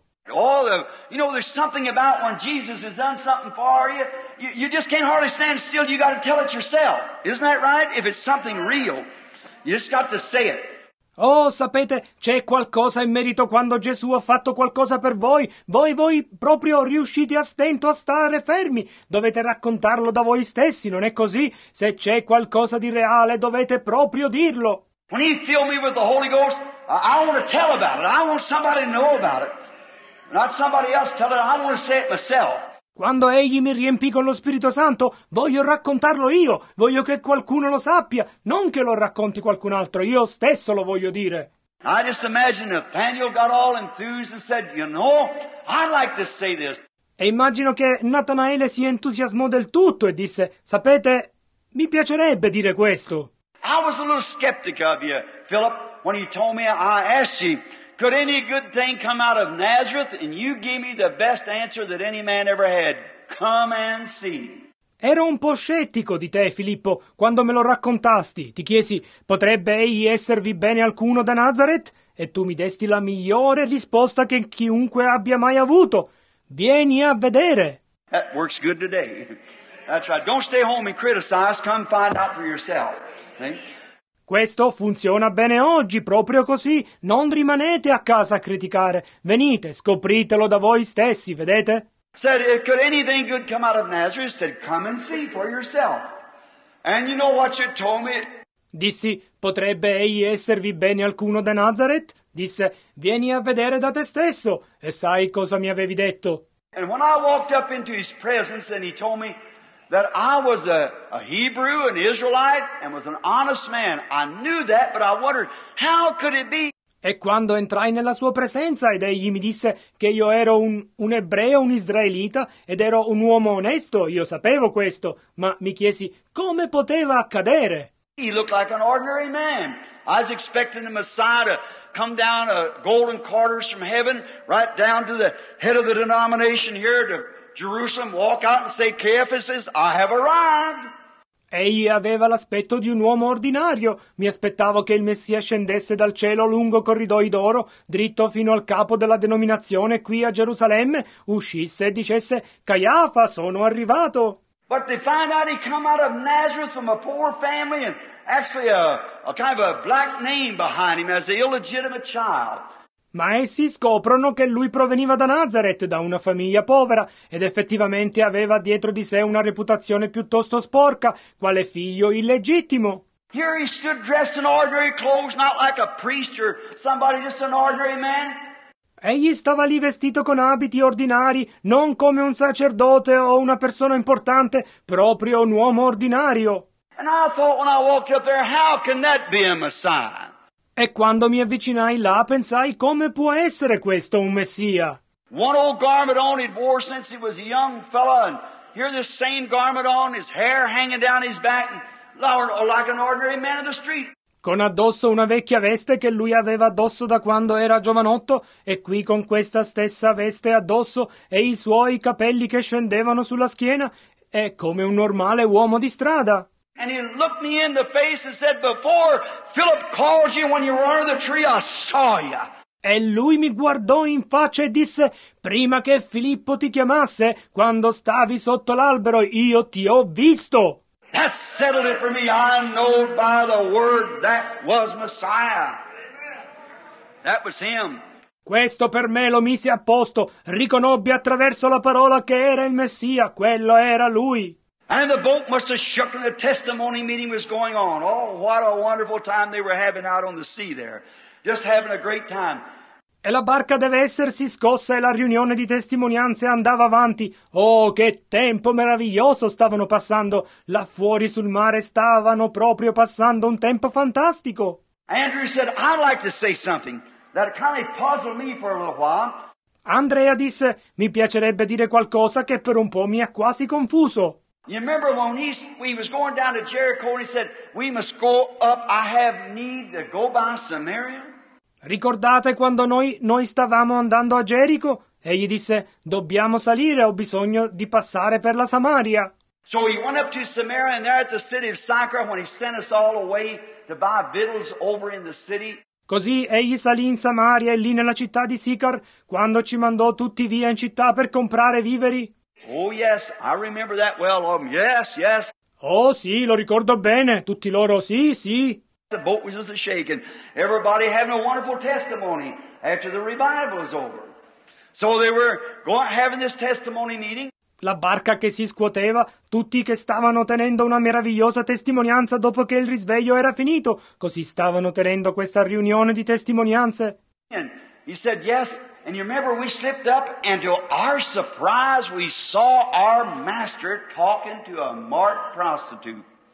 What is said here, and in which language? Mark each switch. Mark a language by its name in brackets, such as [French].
[English] Oh, you know, there's something about when Jesus has done something for you, you just can't hardly stand still, you got to tell it yourself. Isn't that right? If it's something real, you just got to say it. [Italian] Oh, sapete, c'è qualcosa in merito quando Gesù ha fatto qualcosa per voi. Voi proprio riuscite a stento a stare fermi. Dovete raccontarlo da voi stessi, non è così? Se c'è qualcosa di reale, dovete proprio dirlo. [English] When he filled me with the Holy Ghost, I want to tell about it. I want somebody to know about it. Not somebody else tell it, I want to say it myself. [Italian] Quando egli mi riempì con lo Spirito Santo, voglio raccontarlo io, voglio che qualcuno lo sappia, non che lo racconti qualcun altro, io stesso lo voglio dire. [English] I just imagine Nathaniel got all enthused and said, you know, I'd like to say this. [Italian] E immagino che Natanaele si entusiasmò del tutto e disse, sapete, mi piacerebbe dire questo. [English] I was a little skeptic of you, Philip, when you told me, I asked you, could any good thing come out of Nazareth? And you gave me the best answer that any man ever had. Come and see. [Italian] Ero un po' scettico di te, Filippo, quando me lo raccontasti. Ti chiesi, potrebbe egli esservi bene alcuno da Nazareth? E tu mi desti la migliore risposta che chiunque abbia mai avuto. Vieni a vedere. [English] That works good today. That's right. Don't stay home and criticize. Come find out for yourself. See? [Italian] Questo funziona bene oggi, proprio così. Non rimanete a casa a criticare. Venite, scopritelo da voi stessi, vedete? [English] Said, could anything good come out of Nazareth? Said, come and see for yourself. And you know what you told me? [Italian] Dissi, potrebbe egli esservi bene alcuno da Nazareth? Disse, vieni a vedere da te stesso. E sai cosa mi avevi detto? [English] And when I walked up into his presence and he told me, that I was a Hebrew, an Israelite, and was an honest man. I knew that, but I wondered, how could it be? [Italian] E quando entrai nella sua presenza ed egli mi disse che io ero un ebreo, un israelita, ed ero un uomo onesto, io sapevo questo, ma mi chiesi, come poteva accadere? [English] He looked like an ordinary man. I was expecting the Messiah to come down a golden quarters from heaven, right down to the head of the denomination here to Jerusalem, walk out and say, Caiaphas, I have arrived. [Italian] Egli aveva l'aspetto di un uomo ordinario. Mi aspettavo che il Messia scendesse dal cielo lungo corridoi d'oro, dritto fino al capo della denominazione qui a Gerusalemme, uscisse e dicesse, Caiafa, sono arrivato. [English] But they find out he come out of Nazareth from a poor family and actually a kind of a black name behind him as an illegitimate child. [Italian] Ma essi scoprono che lui proveniva da Nazareth, da una famiglia povera, ed effettivamente aveva dietro di sé una reputazione piuttosto sporca, quale figlio illegittimo. [English] Here he stood dressed in ordinary clothes, not like a priest or somebody, just an ordinary man. [Italian] Egli stava lì vestito con abiti ordinari, non come un sacerdote o una persona importante, proprio un uomo ordinario. [English] And I thought when I walked up there, how can that be a Messiah? [Italian] E quando mi avvicinai là, pensai, come può essere questo un Messia? [English] One old garment on he'd wore since he was a young fella, and here this same garment on, his hair hanging down his back, and like an ordinary man of the street. [Italian] con addosso una vecchia veste che lui aveva addosso da quando era giovanotto, e qui con questa stessa veste addosso e i suoi capelli che scendevano sulla schiena, è come un normale uomo di strada. [English] And he looked me in the face and said, before Philip called you when you were under the tree, I saw you. [Italian] E lui mi guardò in faccia e disse, prima che Filippo ti chiamasse, quando stavi sotto l'albero, io ti ho visto. [English] That settled it for me. I know by the word that was Messiah. That was him. [Italian] Questo per me lo mise a posto. Riconobbi attraverso la parola che era il Messia. Quello era lui. [English] And the boat must have shook and the testimony meeting was going on. Oh, what a wonderful time they were having out on the sea there. Just having a great time. [Italian] E la barca deve essersi scossa e la riunione di testimonianze andava avanti. Oh, che tempo meraviglioso stavano passando. Là fuori sul mare stavano proprio passando un tempo fantastico. [English] Andrew said, I'd like to say something that kind of puzzled me for a little while. [Italian] Andrea disse, mi piacerebbe dire qualcosa che per un po' mi ha quasi confuso. [English] You remember when we was going down to Jericho and he said, we must go up, I have need to go by Samaria? [Italian] Ricordate quando noi stavamo andando a Gerico? Egli disse, dobbiamo salire, ho bisogno di passare per la Samaria. [English] So he went up to Samaria and there at the city of Sychar when he sent us all away to buy victuals over in the city. [Italian] Così egli salì in Samaria e lì nella città di Sicar, quando ci mandò tutti via in città per comprare viveri. [English] Oh yes, I remember that well. Yes, yes. [Italian] Oh sì, lo ricordo bene. Tutti loro, sì, sì. [English] The boat was just shaking. Everybody having a wonderful testimony after the revival is over. So they were going having this testimony meeting. [Italian] La barca che si scuoteva, tutti che stavano tenendo una meravigliosa testimonianza dopo che il risveglio era finito, così stavano tenendo questa riunione di testimonianze. [English] And he said yes. And you remember we slipped up and to our surprise we saw our master talking to a marked prostitute.